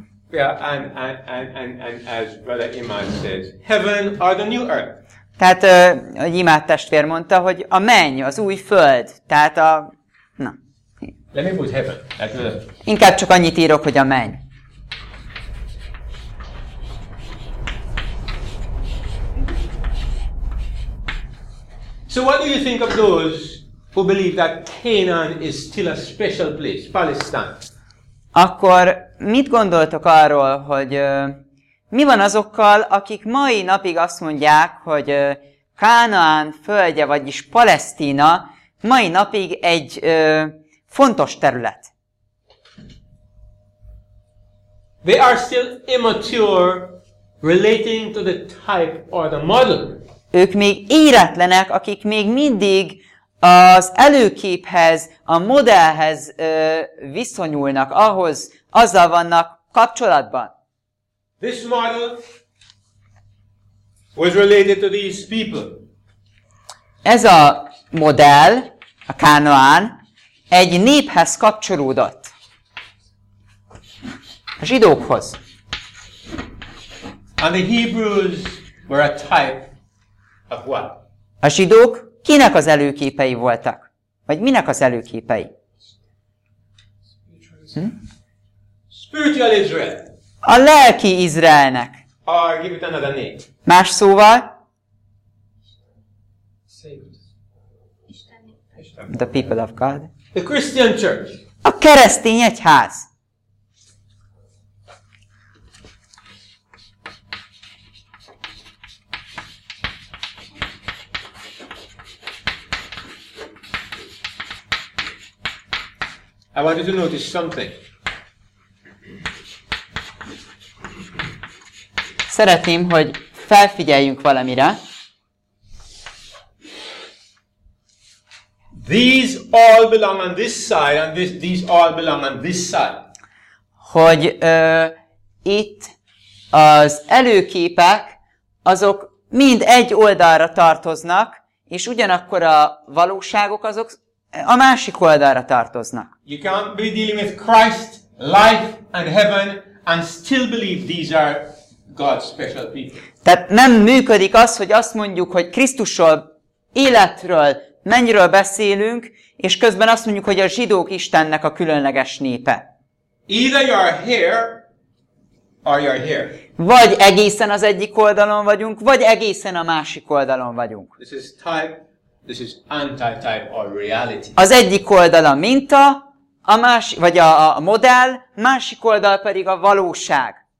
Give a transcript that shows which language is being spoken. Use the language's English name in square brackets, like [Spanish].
[English] Yeah, and as Brother Imad says, heaven or the new earth. [Hungarian] Tehát a Imád testvér mondta, hogy a menny, az új föld, tehát a... Na. [English] Let me put heaven. [Hungarian] Inkább csak annyit írok, hogy a menny. [English] So what do you think of those who believe that Canaan is still a special place, Palestine? [Hungarian] Akkor mit gondoltok arról, hogy mi van azokkal, akik mai napig azt mondják, hogy Kánaán földje, vagyis Palesztina mai napig egy fontos terület? [English] They are still immature relating to the type or the model. [Hungarian] Ők még éretlenek, akik még mindig az előképhez, a modellhez viszonyulnak, ahhoz, azzal vannak kapcsolatban. [English] This model was related to these people. [Hungarian] Ez a modell, a Kánaán, egy néphez kapcsolódott. A zsidókhoz. [English] And the Hebrews were a type of what? [Hungarian] A zsidók kinek az előképei voltak? Vagy minek az előképei? [English] Spiritual Israel. [Hungarian] A lelki Izraelnek. [English] Or give it another name. [Hungarian] Más szóval? [English] The people of God. The Christian Church. [Hungarian] A keresztény egyház. [English] I wanted to notice something. [Hungarian] Szeretném, hogy felfigyeljünk valamire. [English] These all belong on this side, and these all belong on this side. [Hungarian] Hogy itt az előképek, azok mind egy oldalra tartoznak, és ugyanakkor a valóságok azok a másik oldalra tartoznak. [English] You can't be dealing with Christ, life and heaven and still believe these are God's special people. [Hungarian] Tehát nem működik az, hogy azt mondjuk, hogy Krisztusról, életről, mennyiről beszélünk, és közben azt mondjuk, hogy a zsidók Istennek a különleges népe. [English] Either you are here or you are here. [Hungarian] Vagy egészen az egyik oldalon vagyunk, vagy egészen a másik oldalon vagyunk. [English] This is type This is anti-type or reality. [Hungarian] Az egyik oldal a minta, a másik vagy a modell, másik oldal pedig a valóság.